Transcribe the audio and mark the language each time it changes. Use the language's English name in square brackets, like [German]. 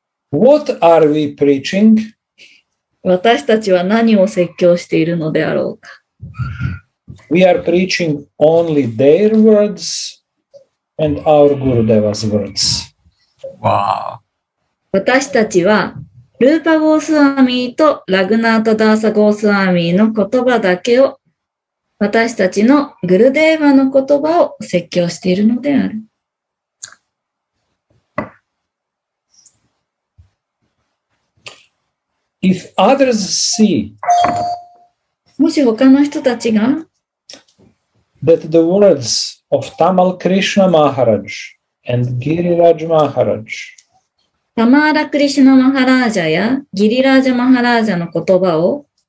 [English] What are we preaching? [Japanese] 私たちは何を説教しているのであろうか? [English] We are preaching only their words and our Gurudeva's words. Wow. [Japanese] 私たちはルーパゴースワミーとラグナートダーサゴースワミーの言葉だけを私たちのグルデーヴァの言葉を説教しているのである。 [English] If others see, [Japanese] もし他の人たちが [English] that the words of Tamal Krishna Maharaj and Giriraj Maharaj, [Japanese] タマーラ・クリシュナ・マハラージャやギリラージャ・マハラージャの言葉を